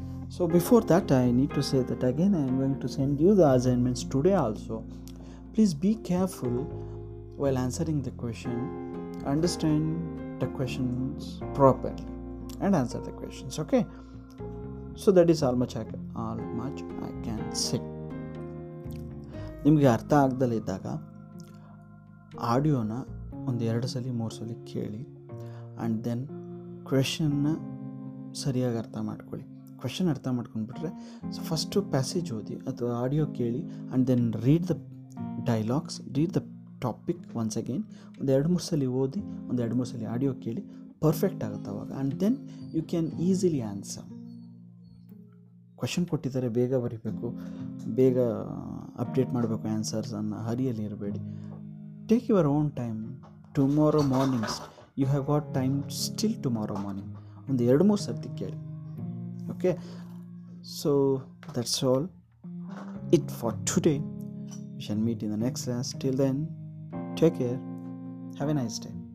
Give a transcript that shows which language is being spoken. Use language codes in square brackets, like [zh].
[en] So before that, I need to say that again, I am going to send you the assignments today also. Please be careful while answering the question, understand the questions properly and answer the questions. Okay, so that is all much I can say. [kn] ನಿಮಗೆ ಅರ್ಥ ಆಗದಲ್ಲ ಇದ್ದಾಗ ಆಡಿಯೋನ ಒಂದು ಎರಡು ಸಲ ಮೂರು ಸಲ ಕೇಳಿ, [en] and then [kn] ಕ್ವೆಶನ್ನ ಸರಿಯಾಗಿ ಅರ್ಥ ಮಾಡ್ಕೊಳ್ಳಿ. ಕ್ವೆಶನ್ ಅರ್ಥ ಮಾಡ್ಕೊಂಡ್ಬಿಟ್ರೆ ಫಸ್ಟು ಪ್ಯಾಸೇಜ್ ಓದಿ ಅಥವಾ ಆಡಿಯೋ ಕೇಳಿ, [en] and then read the dialogues, read the topic once again, [kn] ಒಂದು ಎರಡು ಮೂರು ಸಲ ಓದಿ, ಒಂದು ಎರಡು ಮೂರು ಸಲ ಆಡಿಯೋ ಕೇಳಿ, ಪರ್ಫೆಕ್ಟ್ ಆಗುತ್ತೆ ಅವಾಗ. [en] And then you can easily answer. [kn] Question ಕೊಟ್ಟಿದ್ದಾರೆ, ಬೇಗ ಬರೀಬೇಕು, ಬೇಗ ಅಪ್ಡೇಟ್ ಮಾಡಬೇಕು ಆನ್ಸರ್ಸ್ ಅನ್ನೋ ಹರಿಯಲ್ಲಿ ಇರಬೇಡಿ. [en] Take your own time. Tomorrow mornings you have got time still tomorrow morning, [kn] ಒಂದು ಎರಡು ಮೂರು ಸರ್ತಿ ಕೇಳಿ. [en] Okay, so that's all it for today. We shall meet in the next class. Till then, take care. Have a nice day.